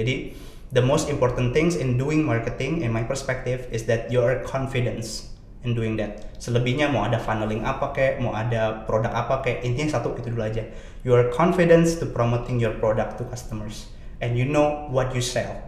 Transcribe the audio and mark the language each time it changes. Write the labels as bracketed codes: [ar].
[en] Jadi the most important things in doing marketing, in my perspective, is that you are confidence in doing that. [id] Selebihnya mau ada funneling apa kek, mau ada produk apa kek, intinya satu itu dulu aja. [en] You are confidence to promoting your product to customers. And you know what you sell.